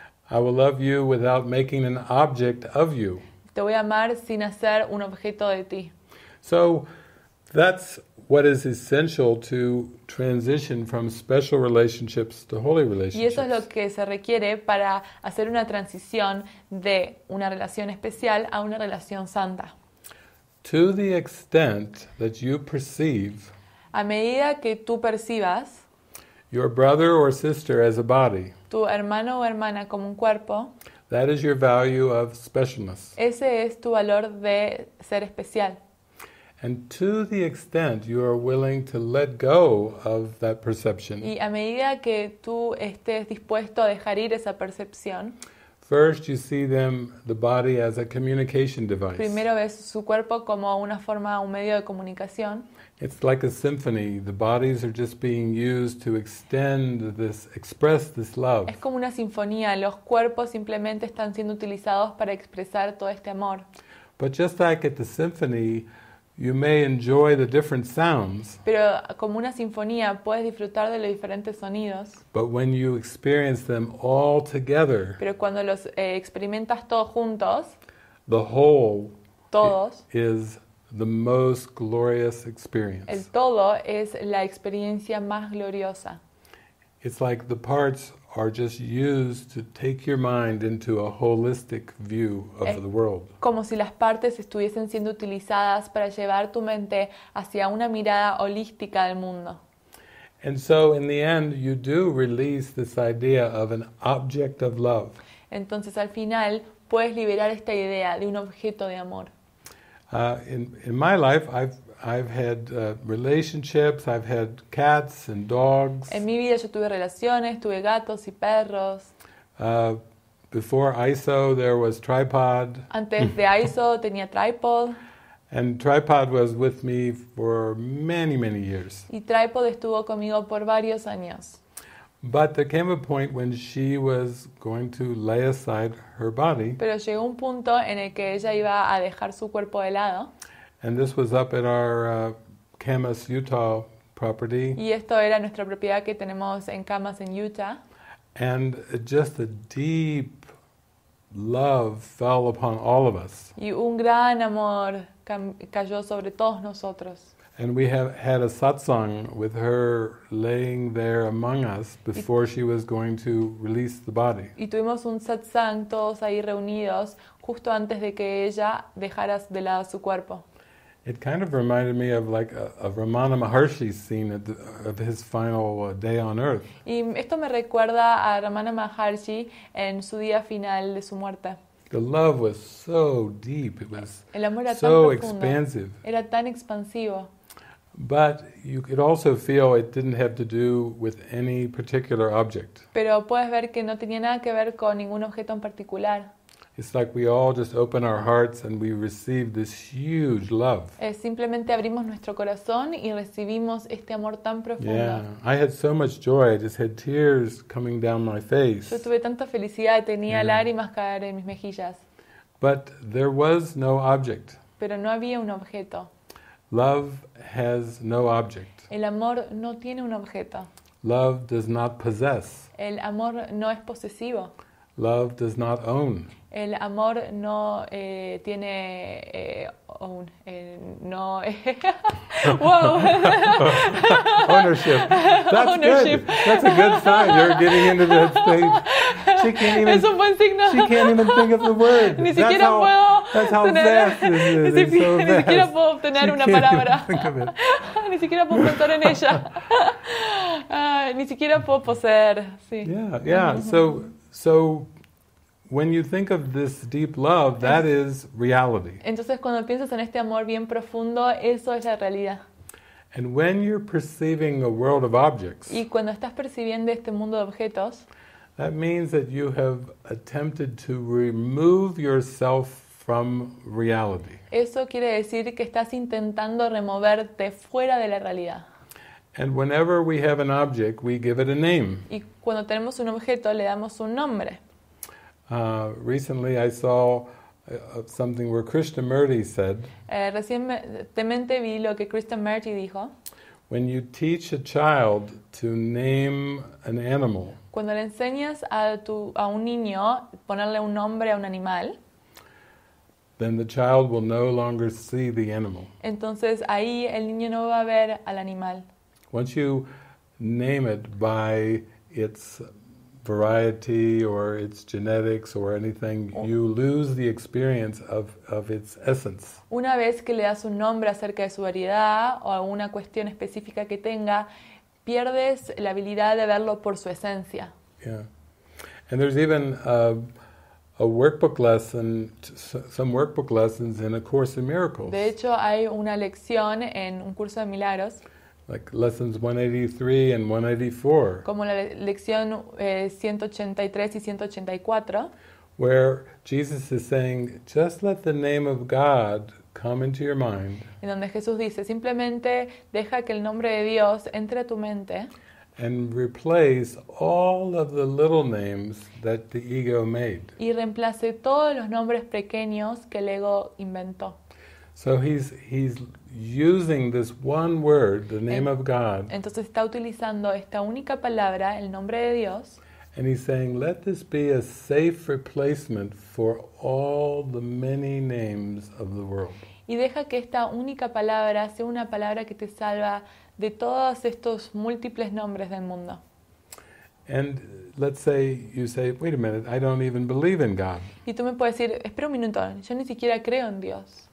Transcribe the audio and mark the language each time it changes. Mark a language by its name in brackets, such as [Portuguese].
[English] I will love you without making an object of you. [Spanish] Te voy a amar sin hacer un objeto de ti. [English] So that's what is essential to transition from special relationships to holy relationships. [Spanish] Y eso es lo que se requiere para hacer una transición de una relación especial a una relación santa. [English] To the extent that you perceive, [Spanish] a medida que tú percibas, [English] your brother or sister as a body, [Spanish] tu hermano o hermana como un cuerpo, [English] that is your value of specialness. [Spanish] Ese es tu valor de ser especial. [English] And to the extent you are willing to let go of that perception. [Spanish] Y a medida que tú estés dispuesto a dejar ir esa percepción. [English] First you see them, the body, as a communication device. [Spanish] Primero ves su cuerpo como una forma, un medio de comunicación. [English] It's like a symphony. The bodies are just being used to extend this, express this love. [Spanish] Es como una sinfonía. Los cuerpos simplemente están siendo utilizados para expresar todo este amor. [English] But just like at the symphony, you may enjoy the different sounds. [Spanish] Pero como una sinfonía puedes disfrutar de los diferentes sonidos. [English] But when you experience them all together. [Spanish] Pero cuando los experimentas todos juntos. [English] The whole. [Spanish] Todos. [English] Is the most glorious experience. [Spanish] El todo es la experiencia más gloriosa. [English] It's like the parts are just used to take your mind into a holistic view of the world. [Spanish] Como si las partes estuviesen siendo utilizadas para llevar tu mente hacia una mirada holística del mundo. [English] And so in the end you do release this idea of an object of love. [Spanish] Entonces al final puedes liberar esta idea de un objeto de amor. [English] In my life I've had relationships, I've had cats and dogs. [Spanish] En mi vida yo tuve relaciones, tuve gatos y perros. [English] Before ISO there was tripod. [Spanish] Antes de ISO tenía tripod. [English] And tripod was with me for many, many years. [Spanish] Y tripod estuvo conmigo por varios años. [English] But there came a point when she was going to lay aside her body. [Spanish] Pero llegó un punto en el que ella iba a dejar su cuerpo de lado. [English] And this was up at our Camas, Utah property. [Spanish] Y esto era nuestra propiedad que tenemos en Camas, en Utah. [English] And just a deep love fell upon all of us. [Spanish] Y un gran amor cayó sobre todos nosotros. [English] And we have had a satsang with her laying there among us before she was going to release the body. [Spanish] Y tuvimos un satsang todos ahí reunidos justo antes de que ella dejara de lado su cuerpo. [English] It kind of reminded me of like a Ramana Maharshi's scene at of his final day on earth. [Spanish] Y esto me recuerda a Ramana Maharshi en su día final de su muerte. [English] The love was so deep. It was [Spanish] el amor era [English] so [Spanish] tan profundo, [English] expansive. [Spanish] Era tan expansivo. [English] But you could also feel it didn't have to do with any particular object. [Spanish] Pero puedes ver que no tenía nada que ver con ningún objeto en particular. [English] It's like we all just open our hearts and we receive this huge love. [Spanish] Simplemente abrimos nuestro corazón y recibimos este amor tan profundo. [English] Yeah, I had so much joy. I just had tears coming down my face. [Spanish] Yo tuve tanta felicidad, tenía yeah. lágrimas caer en mis mejillas. [English] But there was no object. [Spanish] Pero no había un objeto. [English] Love has no object. [Spanish] El amor no tiene un objeto. [English] Love does not possess. [Spanish] El amor no es posesivo. [English] Love does not own. [Spanish] El amor no tiene own no [English] wow ownership. That's ownership. Good. That's a good sign. You're getting into that stage. She can't even. [Spanish] Es un buen signo. [English] She can't even think of the word. [Spanish] Ni siquiera that's puedo. [English] How, that's how [Spanish] tener, [English] vast it is. [Spanish] Ni, si, so ni siquiera puedo obtener [English] she [Spanish] una [English] can't [Spanish] palabra. [English] Even think of it. [Spanish] Ni siquiera puedo pensar en ella. Ni siquiera puedo poseer. Sí. [English] Yeah. Yeah. So. When you think of this deep love, that is reality. [Spanish] Entonces, cuando piensas en este amor bien profundo, eso es la realidad. [English] And when you're perceiving a world of objects, [Spanish] y cuando estás percibiendo este mundo de objetos, [English] that means that you have attempted to remove yourself from reality. [Spanish] Eso quiere decir que estás intentando removerte fuera de la realidad. [English] And whenever we have an object, we give it a name. [Spanish] Y cuando tenemos un objeto, le damos un nombre. [English] Recently I saw something where Krishnamurti said, [Spanish] recientemente vi lo que Krishnamurti dijo, [English] when you teach a child to name an animal, [Spanish] cuando le enseñas a un niño ponerle un nombre a un animal, [English] then the child will no longer see the animal. [Spanish] Entonces ahí el niño no va a ver al animal. [English] Once you name it by its variety or its genetics or anything, you lose the experience of its essence. [Spanish] Una vez que le das un nombre acerca de su variedad o alguna cuestión específica que tenga, pierdes la habilidad de verlo por su esencia. [English] Yeah. And there's even a workbook lesson, some workbook lessons in A Course in Miracles. [Spanish] De hecho, hay una lección en Un Curso de Milagros. [English] Like lessons 183 and 184. [Spanish] Como la lección 183 y 184. [English] Where Jesus is saying, just let the name of God come into your mind. [Spanish] En donde Jesús dice, simplemente deja que el nombre de Dios entre a tu mente. [English] And replace all of the little names that the ego made. [Spanish] Y reemplace todos los nombres pequeños que el ego inventó. [English] So he's using this one word, the name of God. [Spanish] Entonces está utilizando esta única palabra, el nombre de Dios. [English] And he's saying, let this be a safe replacement for all the many names of the world. [Spanish] Y deja que esta única palabra sea una palabra que te salva de todos estos múltiples nombres del mundo. [English] And let's say you say, wait a minute, I don't even believe in God. [Spanish] Y tú me puedes decir, espera un minuto, yo ni siquiera creo en Dios.